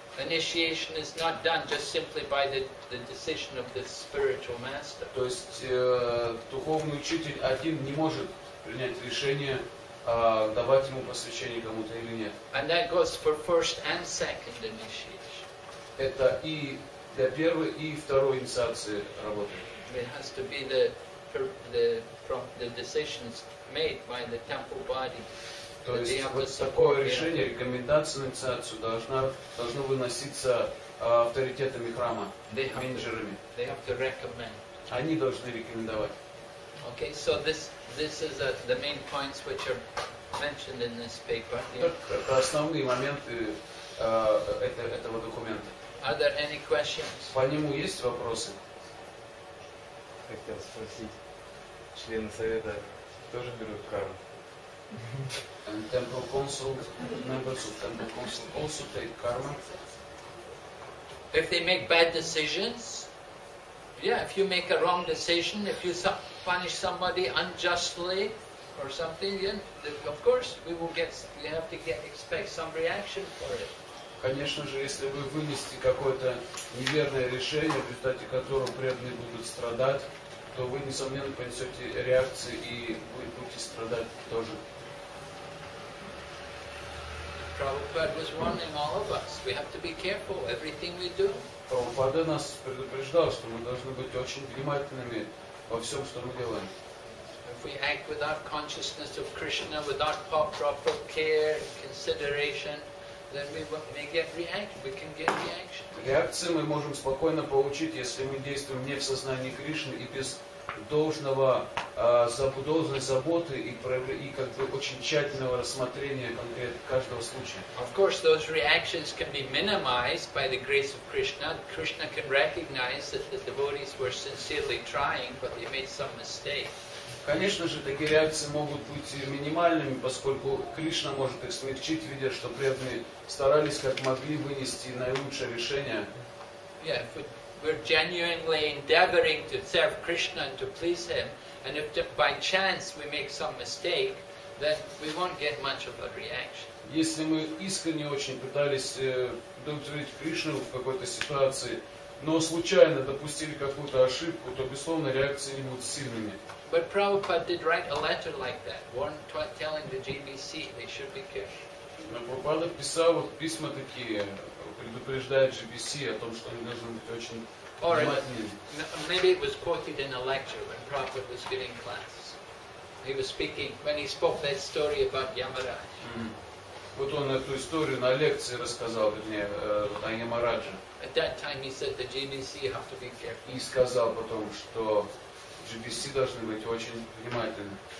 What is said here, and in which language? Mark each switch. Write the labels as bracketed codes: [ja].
[en] Initiation is not done just simply by the decision of the spiritual master. [ru] То есть духовный учитель один не может принять решение давать ему посвящение кому-то или нет. [en] And that goes for first and second initiation. [ru] Это и для первой, и второй инициации работает. [en] It has to be the decisions made by the temple body. [ru] То есть вот такое решение, рекомендация на инициацию должно выноситься авторитетами храма, менеджерами. [en] They have to recommend. [ru] Они должны рекомендовать. [en] Okay, so this is the main points which are mentioned in this paper. [ru] Это основные моменты этого документа. [en] Are there any questions? [ru] По нему есть вопросы? Хотел спросить, члены совета тоже берут карму? [en] And temple council members of temple council also take karma? If they make bad decisions? Yeah, if you make a wrong decision, if you punish somebody unjustly or something, then of course we have to expect some reaction for it. [ru] Конечно же, если вы вынесете какое-то неверное решение, в результате которого преданные будут страдать, то вы, несомненно, понесете реакции и будете страдать тоже. [en] Prabhupada was warning all of us. We have to be careful everything we do. [ru] Prabhupada нас предупреждал, что мы должны быть очень внимательными во всем, что мы делаем. [en] If we act without consciousness of Krishna, without proper care, consideration, then we may get reaction. We can get reaction. [ru] Реакции мы можем спокойно получить, если мы действуем не в сознании Кришны и без должного заботы, заботы и как бы очень тщательного рассмотрения конкретно каждого случая. [en] Of course, those reactions can be minimized by the grace of Krishna. Krishna can recognize that the devotees were sincerely trying, but they made some mistake. [ru] Конечно же, такие реакции могут быть минимальными, поскольку Кришна может их смягчить, видя, что преданные старались как могли вынести наилучшее решение. [en] Yeah, we're genuinely endeavoring to serve Krishna and to please Him, and if by chance we make some mistake, then we won't get much of a reaction. [ru] Если мы искренне очень пытались удовлетворить Кришну в какой-то ситуации, но случайно допустили какую-то ошибку, то, безусловно, реакции не будут сильными. [en] But Prabhupada did write a letter like that, telling the GBC they should be careful. [ru] Но Прабхупада писал вот письма такие, предупреждает GBC о том, что они должны быть очень внимательными. [en] Maybe it was quoted in a lecture when Prabhupada was giving class. He was speaking, when he spoke that story about Yamaraj. [ru] Вот он эту историю на лекции рассказал, вернее, о Ямарадже. [en] At that time he said the GBC have to be careful. [ru] И сказал потом, что GBC должны быть очень внимательны.